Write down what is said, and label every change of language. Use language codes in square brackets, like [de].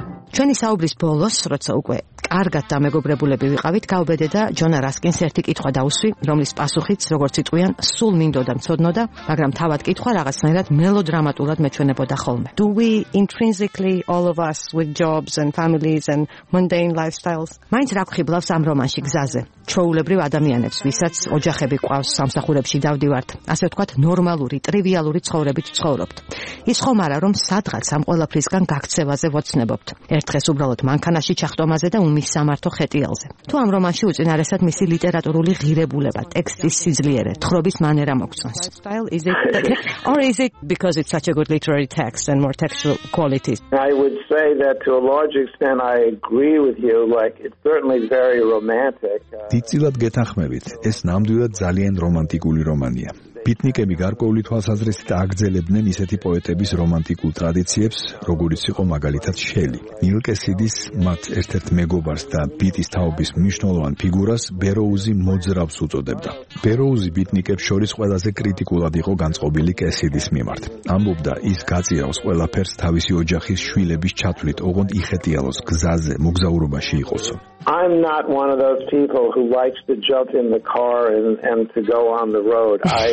[ka] ჩვენი საუბრის ბოლოს, როცა უკვე კარგად დამეგობრებულები ვიყავით, გაუბედე და ჯონა რასკინს ერთი კითხვა დაუსვი, რომლის პასუხიც, როგორც იტყვიან, სულ მინდოდა მცოდნოდა, მაგრამ თავად კითხვა რაღაცნაირად მელოდრამატულად მეჩვენებოდა ხოლმე. [en] Do we intrinsically all of us with jobs and families and mundane lifestyles? [ka] მაინც რა გვხიბლავს ამ რომანში გზაზე? ჩვეულებრივ ადამიანებს, ვისაც ოჯახები ყავს, სამსახურებში დავდივართ, ასე ვთქვათ, ნორმალური, ტრივიალური ცხოვრებით ვცხოვრობთ. ის ხომ არა, რომ სადღაც ამ ყველაფრისგან გაქცევაზე ვოცნებობთ. ერთხეს უბრალოდ მანქანაში ჩახტომაზე და უმის სამართო ხეტიალზე. თუ ამ რომანში უწინარესად მისი ლიტერატურული ღირებულება, ტექსტის სიძლიერე, თხრობის მანერა მოგწონს. [en] Or is it because it's such a good literary text and more textual qualities? I would say that to a large extent I agree with you, like it's certainly very romantic. [ka] დიდწილად გეთანხმებით, ეს ნამდვილად ძალიან რომანტიკული რომანია. ბიტნიკები გარკვეული თვალსაზრისით აგრძელებდნენ ისეთი პოეტების რომანტიკულ ტრადიციებს, როგორიც იყო მაგალითად შელი. ნილკესიდის მათ ერთ-ერთ მეგობარს და ბიტის თაობის მნიშვნელოვან ფიგურას ბეროუზი მოძრავს უწოდებდა. ბეროუზი ბიტნიკებს შორის ყველაზე კრიტიკულად იყო განწყობილი კესიდის მიმართ. ამბობდა, ის გაწიავს ყველაფერს თავისი ოჯახის შვილების ჩათვლით, ოღონდ იხეტიალოს გზაზე მოგზაურობაში იყოსო. [en] I'm not one of those people who likes to jump in the car and to go on the road.